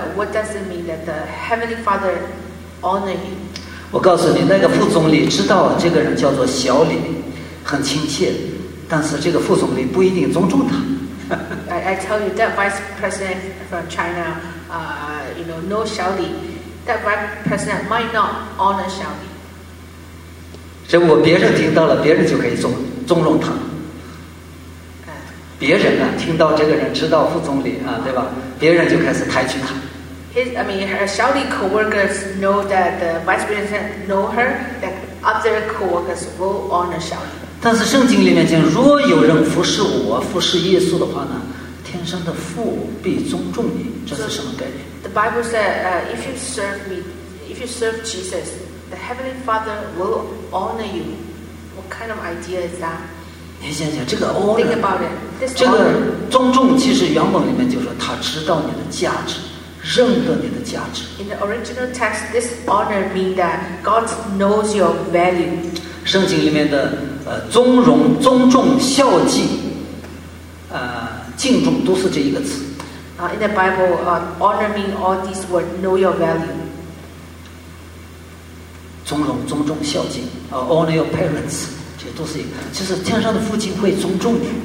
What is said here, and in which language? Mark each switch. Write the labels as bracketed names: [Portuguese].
[English] What does it mean that the heavenly father honor you? [Chinese] 我告诉你，那个副总理知道这个人叫做小李，很亲切，但是这个副总理不一定尊重他。 [English] I tell you that vice president from China, you know, know 小李。 That president might not honor Xiaomi. [Chinese] 如果别人听到了，别人就可以纵容他。别人呢、啊，听到这个人知道副总理啊，对吧？别人就开始抬举他。 [English] Xiaomi coworkers know that the vice president know her. That other coworkers will honor Xiaomi. [Chinese] 但是圣经里面讲，若有人服侍我，服侍耶稣的话呢，天上的父必尊重你。这是什么概念？ [English] The Bible said, if you serve me, if you serve Jesus, the Heavenly Father will honor you. What kind of idea is that? [Chinese] 你想想这个 honor, [English] think about it. This [Chinese] 这个尊重其实原文里面就是他知道你的价值，认得你的价值。 [English] In the original text, this honor means that God knows your value. [Chinese] 圣经里面的尊荣、尊重、孝敬、敬重都是这一个词。 [English] In the Bible, honor means all these words, know your value. [Chinese] 尊荣、尊重、孝敬 [English] honor your parents. [Chinese] 这都是一个，就是天上的父亲会尊重你。